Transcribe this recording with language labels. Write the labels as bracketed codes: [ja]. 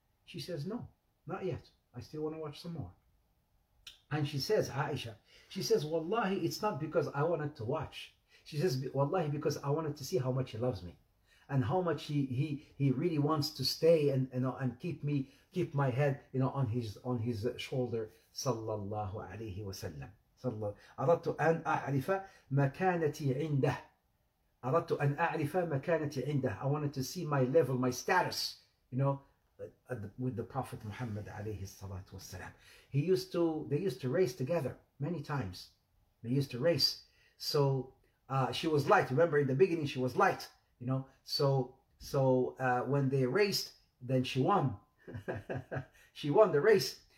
[en] She says, no, not yet. I still want to watch some more. And she says, Aisha, she says, wallahi, it's not because I wanted to watch. She says, wallahi, because I wanted to see how much he loves me and how much he really wants to stay and keep my head, you know, on his shoulder. [ar] Sallallahu alayhi wa sallam. أردت أن أعرف مكانتي عنده. أردت أن أعرف مكانتي عنده. [en] I wanted to see my level, my status, you know, with the Prophet Muhammad alayhi salatu wasalam. They used to race together many times. They used to race. So she was light. Remember, in the beginning she was light, you know. So when they raced, then she won. She won the race.